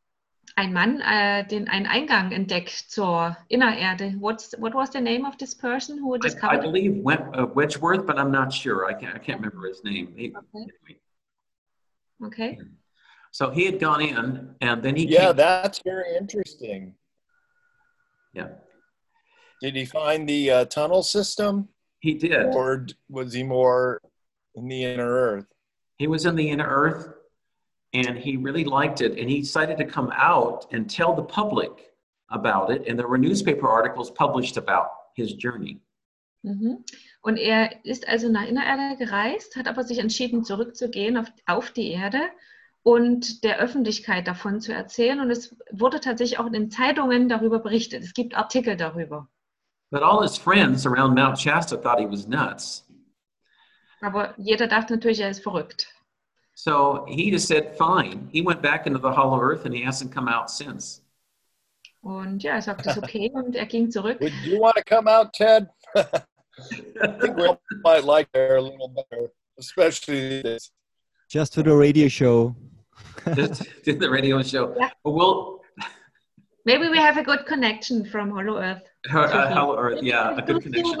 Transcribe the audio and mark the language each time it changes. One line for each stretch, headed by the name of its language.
German: 1898 hat ein Mann einen Eingang entdeckt zur Innererde.
English: What was the name of this person who discovered? I believe Wedgeworth, but I'm not sure. I can't remember his name. Okay. So he had gone in, and then he came. That's very interesting. Yeah. Did he find the tunnel system? He did. Or was he more in the inner earth? He was in the inner earth, and he really liked it. And he decided to come out and tell the public about it. And there were newspaper articles published about his journey. Mm-hmm.
German: Und ist also nach Innererde gereist, hat aber sich entschieden, zurückzugehen auf die Erde und der Öffentlichkeit davon zu erzählen. Und es wurde tatsächlich auch in den Zeitungen darüber berichtet. Es gibt Artikel darüber.
English: But all his friends around Mount Shasta thought he was nuts.
German: Aber jeder dachte natürlich, ist verrückt.
English: So he just said, fine. He went back into the hollow earth and he hasn't come out since.
German: Und ja, er sagte, okay, und ging zurück.
English: Would you want to come out, Ted? I think we all might like her a little better, especially this. Just for the radio show. Just the radio show. Yeah. But we'll... Maybe we have a good connection from Hollow Earth. Hollow Earth, yeah, a good connection.